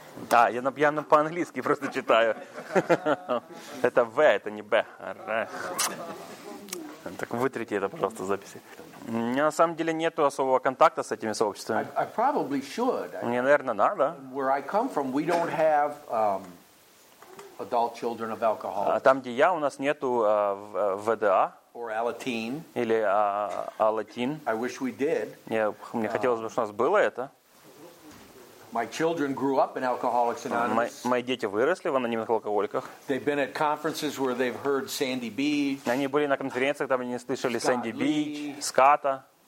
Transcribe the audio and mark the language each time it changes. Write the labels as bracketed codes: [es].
[ru] Да, я по-английски просто читаю. Это В, это не Б. Так вытрите это, пожалуйста, в записи. У меня на самом деле нету особого контакта с этими сообществами. [en] I probably should. [ru] Мне, наверное, надо. [en] Where I come from, we don't have adult children of alcohol. [ru] А там, где я, у нас нету ВДА. [en] Or Alateen. [ru] Или Alateen. [en] I wish we did. [ru] Мне хотелось бы, чтобы у нас было это. [en] My children grew up in Alcoholics Anonymous. [ru] Мои дети выросли в анонимных алкоголиках. [en] They've been at conferences where they've heard Sandy Beach. [ru] Они были на конференциях, там они слышали Sandy Beach, Скотта.